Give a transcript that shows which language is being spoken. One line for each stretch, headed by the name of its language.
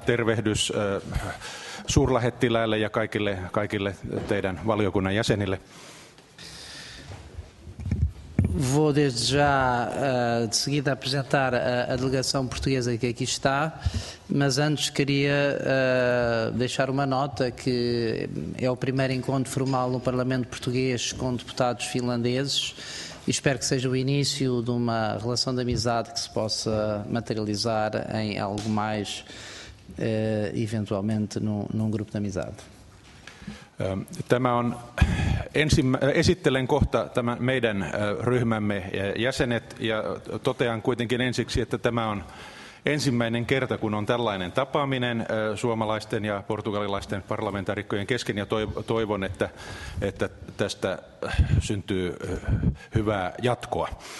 Finnish: Tervehdys suurlähettiläille ja kaikille teidän valiokunnan jäsenille.
Portuguese: Vou desde já de seguida apresentar a delegação portuguesa que aqui está, mas antes queria deixar uma nota que é o primeiro encontro formal no Parlamento Português com deputados finlandeses e espero que seja o início de uma relação de amizade que se possa materializar em algo mais, eventualmente num grupo de amizade.
Finnish: Tämä on esittelen kohta tämän meidän ryhmämme jäsenet ja totean kuitenkin ensiksi, että tämä on ensimmäinen kerta, kun on tällainen tapaaminen suomalaisten ja portugalilaisten parlamentaarikkojen kesken, ja toivon, että tästä syntyy hyvää jatkoa.